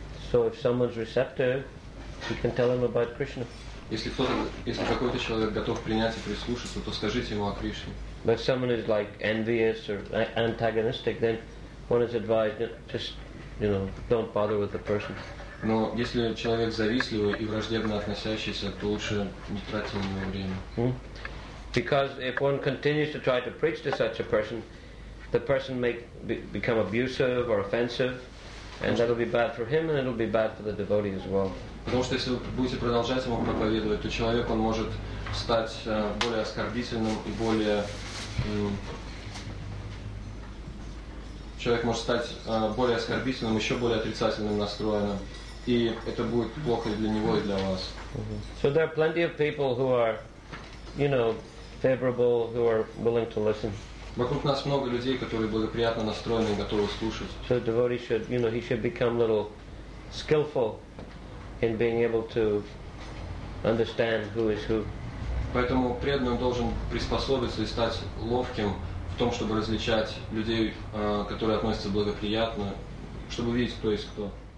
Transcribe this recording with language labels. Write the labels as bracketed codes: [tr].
[en] So if someone's receptive, you can tell him about Krishna. [ru] Если какой-то человек готов принять и прислушаться, то скажите ему о Кришне. [en] But if someone is like envious or antagonistic, then one is advised just, you know, don't bother with the person. [ru] Но если человек завистливый и враждебно относящийся, то лучше не тратить на него время. [en] Because if one continues to try to preach to such a person, the person may become abusive or offensive, and that'll be bad for him, and it'll be bad for the devotee as well. [ru] Потому что если вы будете продолжать ему проповедовать, то человек он может стать более оскорбительным и более человек может стать более оскорбительным, еще более отрицательным настроенным, и это будет плохо для него и для вас. [en] So there are plenty of people who are, you know, favorable, who are willing to listen. [ru] Вокруг нас много людей, которые благоприятно настроены и готовы слушать. [en] So devotee should, you know, he should become a little skillful in being able to understand who is who. [ru] Поэтому преданный должен приспособиться и стать ловким в том, чтобы различать людей, которые относятся благоприятно, чтобы видеть, кто есть кто.